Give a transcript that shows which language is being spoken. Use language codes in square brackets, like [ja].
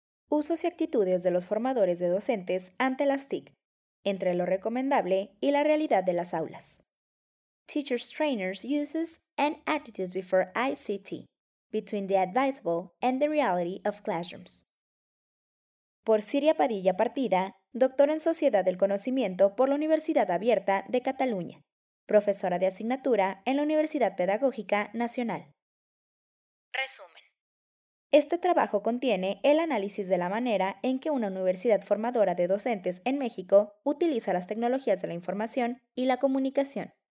[es] Usos y actitudes de los formadores de docentes ante las TIC. Entre lo recomendable y la realidad de las aulas. [en] Teachers Trainers Uses and Attitudes Before ICT. Between the Advisable and the Reality of Classrooms. [es] Por Siria Padilla Partida, doctora en Sociedad del Conocimiento por la Universidad Abierta de Cataluña, profesora de asignatura en la Universidad Pedagógica Nacional. Resumen. Este trabajo contiene el análisis de la manera en que una universidad formadora de docentes en México utiliza las tecnologías de la información y la comunicación.